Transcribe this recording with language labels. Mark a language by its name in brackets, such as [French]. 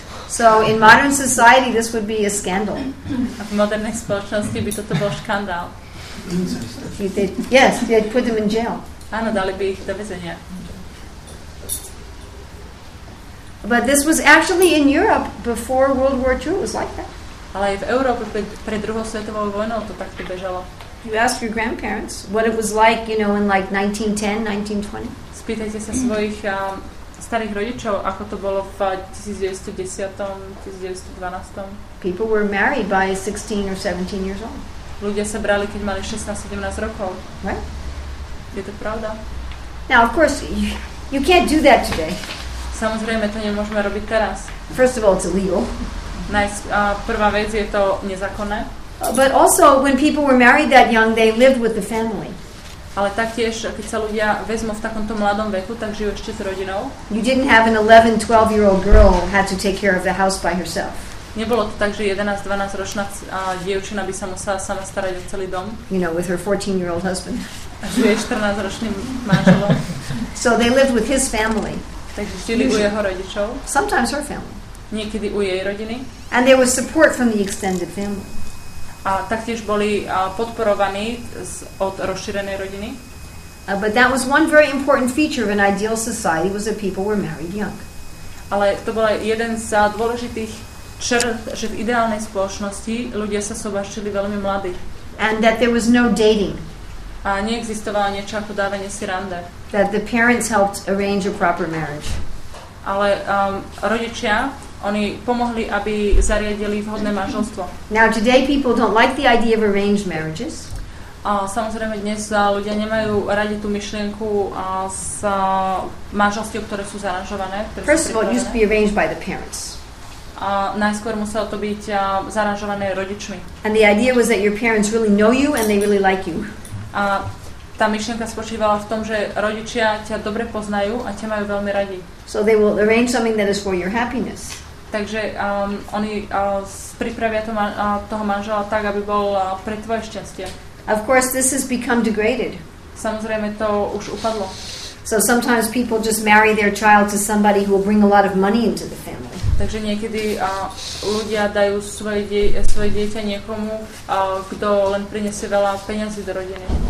[English] So in modern society this would be a scandal. [Slovak] A v modernej spoločnosti by toto bol škandál. [English] Yes, they'd put them in jail. [Slovak] Ano, dali by ich do vězenia. [English] But this was actually in Europe before World War II. It was like that. [Slovak] Ale v Evropě před druhou světovou vojnou to tak to běželo. [English] You ask your grandparents what it was like, you know, in like 1910, 1920. [Slovak] Spýtajte se svojich starých rodičů, ako to bylo v 1910, 1912. [English] People were married by 16 or 17 years old. [Slovak] Ľudia sa brali, keď mali 16-17 rokov. [English] Right? [Slovak] Je to pravda? [English] Now, of course, you can't do that today. [Slovak] Samozrejme, to nemôžeme robiť teraz. [English] First of all, it's illegal. [Slovak] Prvá vec je to nezákonné. [English] But also, when people were married that young, they lived with the family. [Slovak] Ale taktiež, keď sa ľudia vezmú v takomto mladom veku, tak žijú ešte s rodinou. [English] You didn't have an 11-12-year-old girl had to take care of the house by herself. [Slovak] Nebolo to tak, že 11-12 ročná dievčina by sa musela sama starať o celý dom. [English] You know, with her 14-year-old husband. [Slovak] A žije 14-ročným manželom. [English] So they lived with his family. [Slovak] Takže žili u jeho rodičov. [English] Sometimes her family. [Slovak] Niekedy u jej rodiny. [English] And there was support from the extended family. [Slovak] A taktiež boli podporovaní od rozšírenej rodiny. [English] But that was one very important feature of an ideal society, was that people were married young. [Slovak] Ale to bol jeden z dôležitých črt, že v ideálnej spoločnosti ľudia sa zobrazili veľmi mladí. [English] And that there was no dating. [Slovak] A neexistovalo niečo ako dávanie si rande. [English] That the parents helped arrange a proper marriage. [Slovak] Ale rodičia, oni pomohli, aby zariadili vhodné manželstvo. [English] Now today people don't like the idea of arranged marriages. [Slovak] A samozrejme dnes ľudia nemajú radi tú myšlienku s manželstvom, ktoré sú zaranžované. [English] First of all, it used to be arranged by the parents. [Slovak] A najskôr muselo to byť zaranžované rodičmi. [English] And the idea was that your parents really know you and they really like you. [Slovak] A tá myšlienka spočívala v tom, že rodičia ťa dobre poznajú a ťa majú veľmi radi. [English] So they will arrange something that is for your happiness. [Slovak] Takže oni pripravia toho manžela tak, aby bol pre tvoje šťastie. [English] Of course this has become degraded. [Slovak] Samozrejme to už upadlo. [English] So sometimes people just marry their child to somebody who will bring a lot of money into the family. [Slovak] Takže niekedy ľudia dajú svoje dieťa niekomu, kto len prinesie veľa peňazí do rodiny.